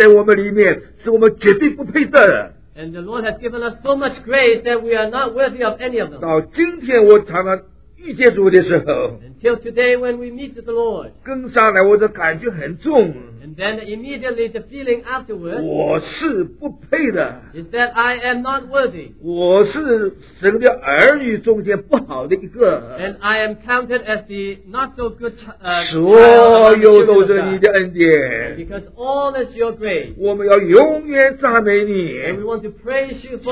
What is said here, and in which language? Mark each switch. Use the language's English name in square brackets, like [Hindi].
[Chinese] 主有多少的恩典在我们里面,是我们绝对不配得的。 [English] And the Lord has given us so much grace that we are not worthy of any of them. [Chinese] 到今天我常常遇见主的时候, [English] until today when we meet the Lord, [Chinese] 跟上来我的感觉很重, [English] and then immediately the feeling afterwards, [Chinese] 我是不配的, [English] is that I am not worthy. [Chinese] 我是神的儿女中间不好的一个, [English] and I am counted as the not so good child of the children of God. Because all is your grace. [Chinese] 我们要永远赞美你, [English] and we want to praise you forever.